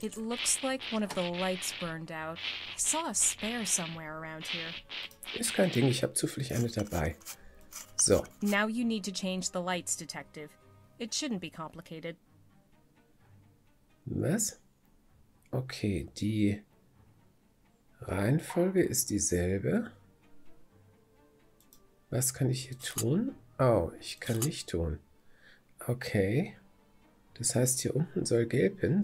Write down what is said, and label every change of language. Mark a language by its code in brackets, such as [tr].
[en] It looks like one of the lights burned out. I saw a spare somewhere around here. [de] Ist kein Ding, ich habe zufällig eine dabei. So. [en] Now you need to change the lights, Detective. It shouldn't be complicated. [de] Was? Okay, die Reihenfolge ist dieselbe. Was kann ich hier tun? Oh, ich kann nicht tun. Okay. Das heißt, hier unten soll gelb hin.